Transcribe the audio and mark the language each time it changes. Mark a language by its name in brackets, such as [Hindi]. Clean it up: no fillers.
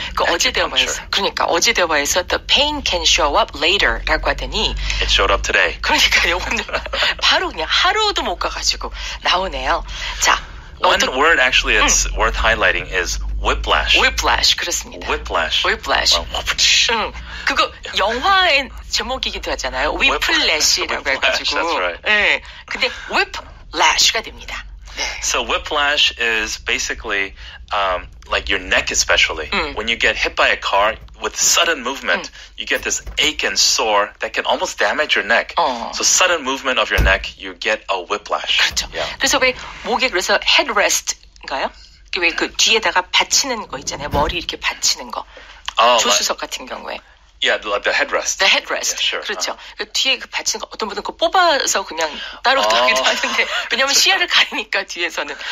[Korean] 어제 대화에서 sure. 그러니까 어제 대화에서 [English] the pain can show up later [Korean] 라고 하더니 [English] it showed up today. [Korean] 그러니까요. 오늘 바로 그냥 하루도 못 가가지고 나오네요. 자, [English] one word actually it's worth highlighting is whiplash. [Korean] Whiplash, 그렇습니다. [English] Whiplash. Whiplash. Whiplash. [Korean] 그거 영화의 제목이기도 하잖아요. Whiplash이라고 해가지고. [English] That's right. [Korean] 네. 근데 whiplash가 됩니다. [English] So whiplash is basically like your neck especially. When you get hit by a car with sudden movement, you get this ache and sore that can almost damage your neck. So sudden movement of your neck, you get a whiplash. [Korean] 그렇죠. Yeah. 그래서 왜 목에 그래서 headrest인가요? 왜 그 뒤에다가 받치는 거 있잖아요. 머리 이렇게 받치는 거. 조수석 같은 경우에. [English] Yeah, like the headrest. The headrest. Yeah, sure. [Korean] 그렇죠. 그 뒤에 그 받치는 거 어떤 분은 그 뽑아서 그냥 따로 하기도 하는데 왜냐면 시야를 가리니까 뒤에서는.